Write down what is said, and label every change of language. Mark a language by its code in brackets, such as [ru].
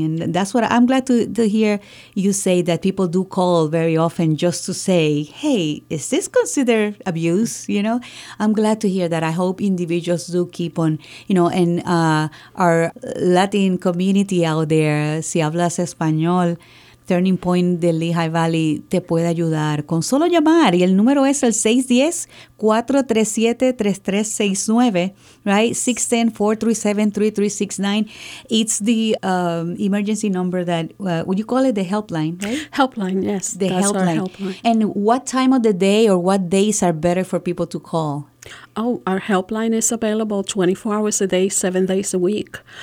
[en] And that's what I'm glad to hear you say, that people do call very often just to say, hey, is this considered abuse? You know, I'm glad to hear that. I hope individuals do keep on, you know, and our Latin community out there, [es] si hablas español, Turning Point del Lehigh Valley te puede ayudar. Con solo llamar, y el número es el 610-437-3369, [en] right? 610-437-3369. It's the emergency number that, would you call it the helpline, right? Helpline, yes. The helpline. And what time of the day or what days are better for people to call? Oh, our helpline is available 24 hours a day, 7 days a week.